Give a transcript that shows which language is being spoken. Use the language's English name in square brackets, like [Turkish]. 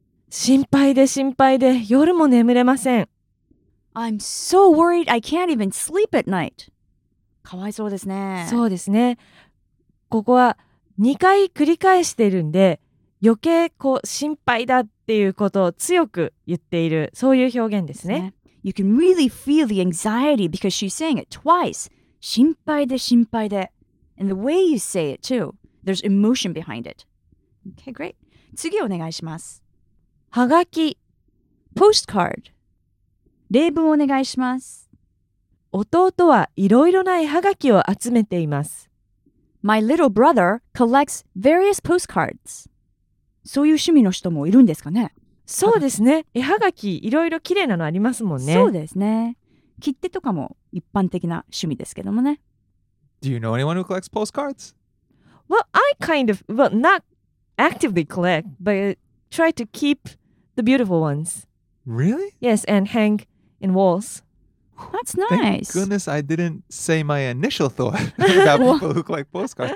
[Japanese] 心配で心配で夜も眠れません。 [English] I'm so worried I can't even sleep at night. [Japanese] かわいそうですね。そうですね。ここは2回繰り返してるんで、余計こう心配だっていうことを強く言っている、そういう表現ですね。 [English] You can really feel the anxiety because she's saying it twice. [Japanese] 心配で心配で。 [English] And the way you say it too, there's emotion behind it. Okay, great. [Japanese] 次お願いします。はがき、 [English] postcard。 [Japanese] 例文お願いします。弟はいろいろな絵はがきを集めています。 [English] My little brother collects various postcards。 [Japanese] そういう趣味の人もいるんですかね。そうですね。絵はがきいろいろ綺麗なのありますもんね。そうですね。切手とかも一般的な趣味ですけどもね。 [English] Do you know anyone who collects postcards? Well, I kind of, well, not actively collect, but try to keep the beautiful ones. Really? Yes, and hang in walls. That's nice. Thank goodness I didn't say my initial thought about people who collect postcards.